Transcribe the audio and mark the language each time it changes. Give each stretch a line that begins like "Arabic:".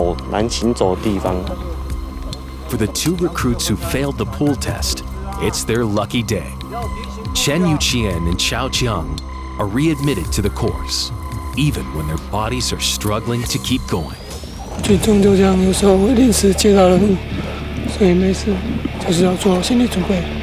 Chinese: 我们等下操作的是困难地形通过。特工人员如果不想与敌接触，他可能会选择一个比较难走、难行走的地方。
English: For the two recruits who failed the pool test, it's their lucky day. Chen Yuqian and Xiao Qiang are readmitted to the course, even when their bodies are struggling to keep going.
Chinese: 最终就这样，有时候会临时接到任务，所以没事，就是要做好心理准备。